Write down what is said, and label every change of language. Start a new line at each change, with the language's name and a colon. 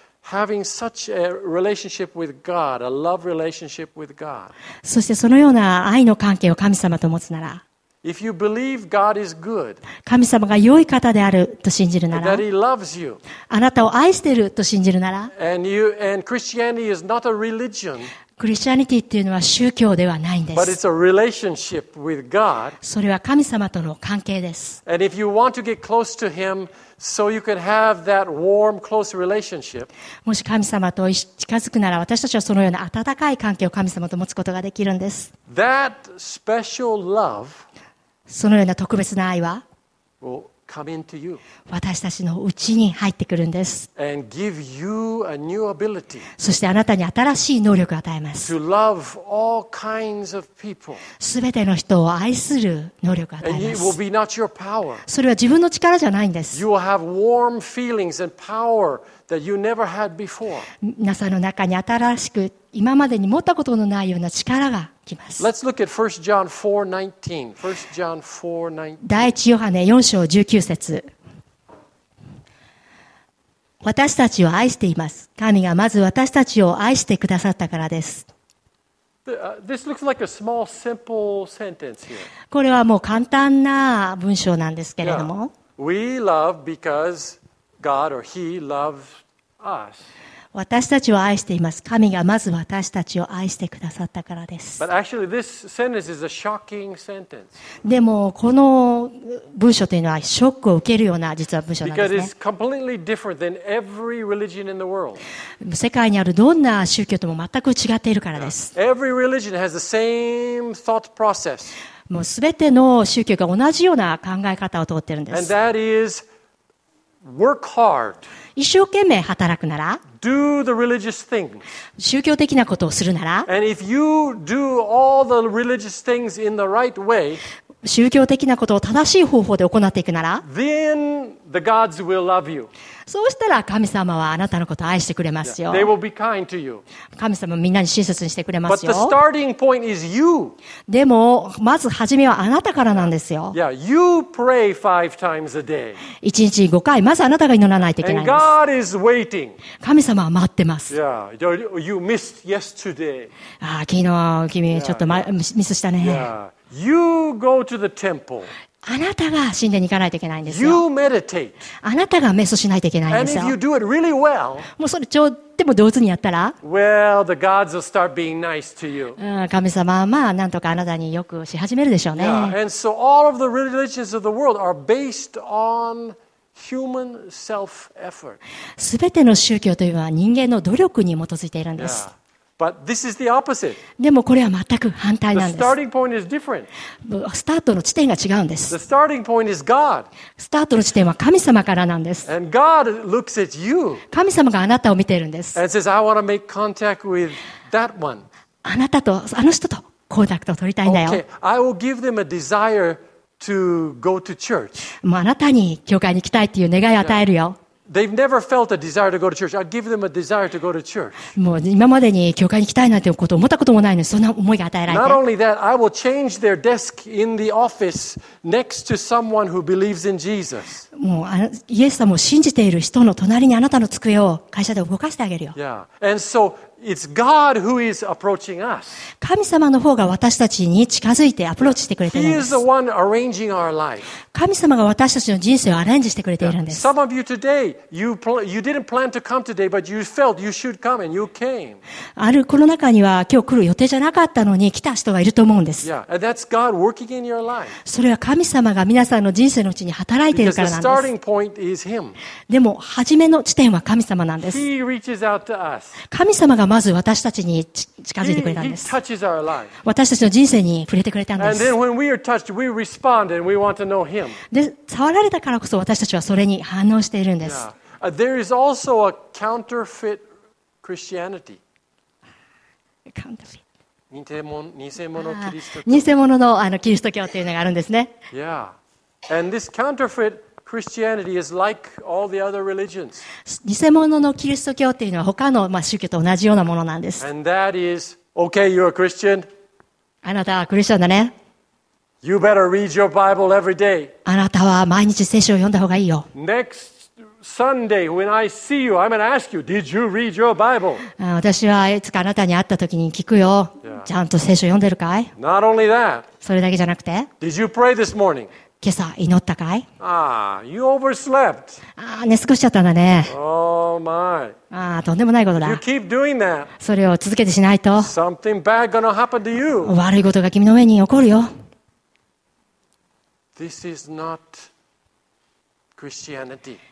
English: Having such a relationship with God, a love relationship with God.
Japanese: そしてそのような愛の関係を神様と持つなら、
English: If you believe God is good,
Japanese: 神様が良い方であると信じるなら、
English: that He loves you,
Japanese: あなたを愛していると信じるなら、
English: and Christianity is not a religion,
Japanese: クリスチャニティっていうのは宗教ではないんです。
English: But it's a relationship with God.
Japanese: それは神様との関係です。
English: And if you want to get close to Him, so you can have that warm, close relationship.
Japanese: もし神様と近づくなら、私たちはそのような温かい関係を神様と持つことができるんです。
English: That special love.
Japanese: そのような特別な愛は、
English: will come into you.
Japanese: 私たちの内に入ってくるんです。
English: And give you a new ability.
Japanese: そしてあなたに新しい能力を与えます。
English: To love all kinds of people.
Japanese: すべての人を愛する能力を与えます。
English: And it will be not your power.
Japanese: それは自分の力じゃないんです。
English: You will have warm feelings and power that you never had before.
Japanese: 皆さんの中に新しく今までに持ったことのないような力が来ます。
English: Let's look at 1 John 4:19. 1 John 4:19.
Japanese: 第一ヨハネ4章19節。私たちを愛しています。神がまず私たちを愛してくださったからです。
English: This looks like a small, simple sentence here.
Japanese: これはもう簡単な文章なんですけれども。
English: We love because God or He loves us.
Japanese: 私たちを愛しています。神がまず私たちを愛してくださったからです。
English: But actually, this sentence is a shocking sentence.
Japanese: でもこの文章というのはショックを受けるような実は文章なんですね。
English: Because it's completely different than every religion in the world.
Japanese: 世界にあるどんな宗教とも全く違っているからです。
English: Every religion has the same thought process.
Japanese: もうすべての宗教が同じような考え方を通っているんです。
English: And that is work hard.
Japanese: 一生懸命働くなら、
English: do the religious things.
Japanese: 宗教的なことをするなら、
English: and if you do all the religious things in the right way,
Japanese: 宗教的なことを正しい方法で行っていくなら、
English: then the gods will love you.
Japanese: そうしたら神様はあなたのことを愛してくれますよ。
English: Yeah. They will be kind to you.
Japanese: 神様はみんなに親切にしてくれますよ。
English: But the starting point is you.
Japanese: でもまず初めはあなたからなんですよ。
English: Yeah. You pray five times a day.
Japanese: 1日5回まずあなたが祈らないといけないんです。
English: God is waiting.
Japanese: 神様は待ってます。
English: Yeah. You missed yesterday.
Japanese: ああ昨日君ちょっと、ま、ミスしたね。
English: Yeah. You go to the temple.
Japanese: あなたが神殿に行かないといけないんですよ。
English: You meditate.
Japanese: あなたが瞑想しないといけないんですよ。
English: And if you do it really well,
Japanese: もうそれちょっとも上手にやったら、
English: well, the gods will start being nice to you.
Japanese: 神様はまあなんとかあなたによくし始めるでしょうね。
English: Yeah. And so all of the religions of the world are based on human self-effort.
Japanese: すべての宗教というのは人間の努力に基づいているんです。
English: Yeah. But this is the opposite.
Japanese: でもこれは全く反対なんです。
English: The starting point is different.
Japanese: スタートの地点が違うんです。
English: The starting point is God.
Japanese: スタートの地点は神様からなんです。
English: And God looks at you.
Japanese: 神様があなたを見ているんです。
English: And says, I want to make contact with that one.
Japanese: あなたとあの人とコンタクトを取りたいんだよ。
English: Okay, I will give them a desire to go to church.
Japanese: もうあなたに教会に行きたいっていう願いを与えるよ。
English: They've never felt a desire to go to church. I'd give them a desire to go to church.
Japanese: もう今までに教会に行きたいなんてこと思ったこともないのにそんな思いが与えられて。
English: Not only that, I will change their desk in the office next to someone who believes in Jesus.
Japanese: もうイエス様を信じている人の隣にあなたの机を会社で動かしてあげるよ。
English: Yeah. And so it's God who is approaching us.
Japanese: 神様の方が私たちに近づいてアプローチしてくれているんです。
English: He is the one arranging our life.
Japanese: 神様が私たちの人生をアレンジしてくれているんです。
English: Some of you today, you didn't plan to come today, but you felt you should come and you came.
Japanese: あるこの中には今日来る予定じゃなかったのに来た人がいると思うんです。
English: Yeah, and that's God working in your life.
Japanese: それは神様が皆さんの人生のうちに働いているからなんです。
English: The starting point is Him.
Japanese: でも初めの地点は神様なんです。
English: He reaches out to us.
Japanese: 神様がまず私たちに近づいてくれたんです。
English: He touches our life.
Japanese: 私たちの人生に触れてくれたんです。
English: And then when we are touched, we respond and we want to know Him.
Japanese: で触られたからこそ私たちはそれに反応しているんです。
English: Yeah. There is also a counterfeit Christianity. Counterfeit.
Japanese: 偽物のキリスト教というのがあるんですね。
English: Yeah. And this counterfeit Christianity is like all the other religions.
Japanese: 偽物のキリスト教というのは他の宗教と同じようなものなんです。
English: And that is, okay, you're a Christian.
Japanese: あなたはクリスチャンだね。
English: You better read your Bible every day.
Japanese: あなたは毎日聖書を読んだ方がいいよ。
English: Next Sunday, when I see you, I'm going to ask you, did you read your Bible?
Japanese: 私はいつかあなたに会った時に聞くよ。Yeah. ちゃんと聖書読んでるかい？
English: Not only that.
Japanese: それだけじゃなくて。
English: Did you pray this morning?
Japanese: 今朝祈ったかい？
English: ああ、you overslept。
Japanese: ああ、寝過ごしちゃったんだね。
English: Oh my。
Japanese: ああ、とんでもないことだ。
English: You keep doing that。
Japanese: それを続けてしないと。
English: Something bad gonna happen to you。
Japanese: 悪いことが君の上に起こるよ。
English: This is not Christianity。